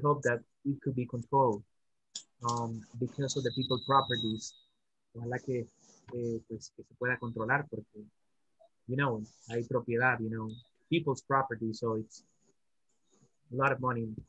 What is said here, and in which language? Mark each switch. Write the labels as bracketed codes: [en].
[en] hope that it could be controlled because of the people's properties. [es] Ojalá que, pues, que se pueda controlar porque. [en] You know, [es] hay propiedad, [en] you know, people's property, so it's a lot of money.